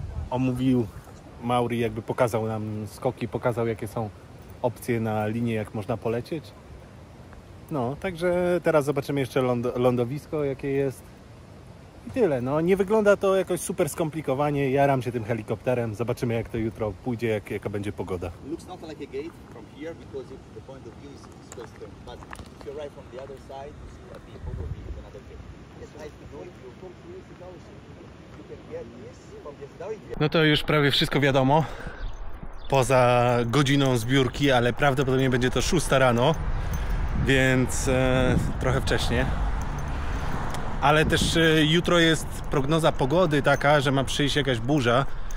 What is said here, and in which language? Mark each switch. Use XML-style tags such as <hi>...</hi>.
<pl>Omówił Mauri, jakby pokazał nam skoki, pokazał jakie są opcje na linie, jak można polecieć. No, także teraz zobaczymy jeszcze lądowisko, jakie jest. I tyle, no nie wygląda to jakoś super skomplikowanie, jaram się tym helikopterem, zobaczymy jak to jutro pójdzie, jaka będzie pogoda.</pl> <en>Looks not like a gate from here, because if the point of view is western, but if you arrive from the other side, you see a big overview, it's another gate. It's nice to know, if you come here, it's also, you can get this from the story.</en> <pl>No to już prawie wszystko wiadomo, poza godziną zbiórki, ale prawdopodobnie będzie to 6 rano, więc trochę wcześnie. Ale też jutro jest prognoza pogody taka, że ma przyjść jakaś burza.</pl>